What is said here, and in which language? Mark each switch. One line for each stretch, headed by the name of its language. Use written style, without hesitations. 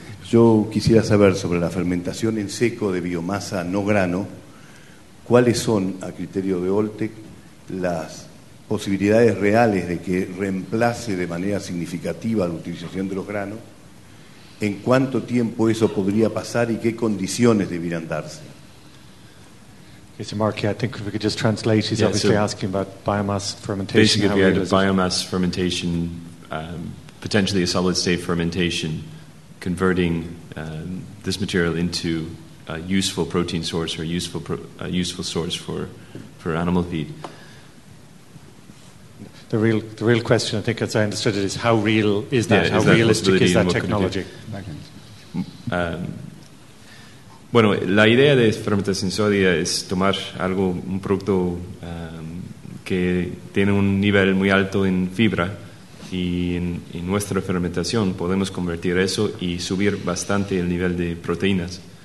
Spanish: Yo quisiera saber sobre la fermentación en seco de biomasa no grano, cuáles son, a criterio de Oltec, las posibilidades reales de que reemplace de manera significativa la utilización de los granos, en cuánto tiempo eso podría pasar y qué condiciones deberían darse.
English: Okay, so Mark, yeah, I think if we could just translate, he's obviously asking about biomass fermentation. Basically, if you had a biomass fermentation, potentially a solid-state fermentation, converting this material into a useful protein source or a useful source for animal feed. The real question, I think, as I understood it, is how real is that? Yeah, how is that realistic is that technology?
Spanish: Bueno, la idea de fermentación sólida es tomar algo, un producto que tiene un nivel muy alto en fibra, y en nuestra fermentación podemos convertir eso y subir bastante el nivel de proteínas.